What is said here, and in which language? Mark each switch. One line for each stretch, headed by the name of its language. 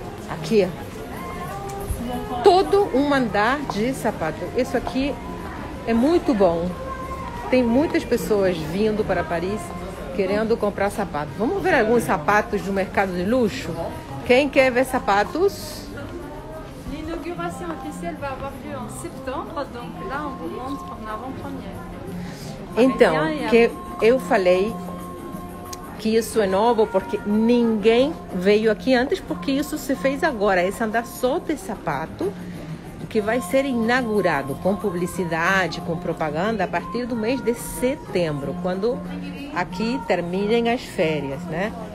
Portuguese: Aqui, todo um andar de sapatos. Isso aqui é muito bom. Tem muitas pessoas vindo para Paris querendo comprar sapatos. Vamos ver alguns sapatos do mercado de luxo? Quem quer ver sapatos?
French: L'inauguration officielle va avoir lieu en septembre, donc là on vous montre en avant-première.
Portuguese: Então, que eu falei que isso é novo porque ninguém veio aqui antes, porque isso se fez agora, esse andar só de sapato, que vai ser inaugurado com publicidade, com propaganda, a partir do mês de setembro, quando aqui terminem as férias, né?